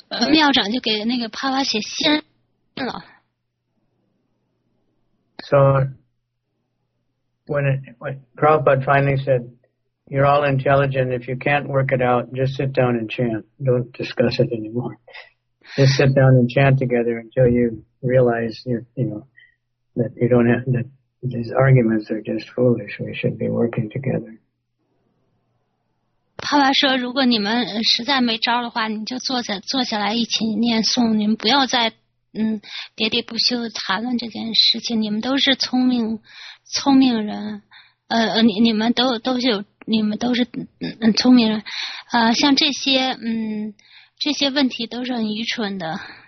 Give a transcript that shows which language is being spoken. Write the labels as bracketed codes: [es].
[zh] 庙长就给那个帕瓦写信了。 [en] So, when Prabhupada finally said, you're all intelligent, if you can't work it out, just sit down and chant. Don't discuss it anymore. Just sit down and chant together until you realize, you know, that you don't have, that,These arguments are just foolish. We should be working together. [zh] 帕瓦说如果你们实在没招的话你就坐下来一起念诵你们不要再喋喋不休地谈论这件事情你们都是聪明人你们都是聪明人像这些问题都是很愚蠢的。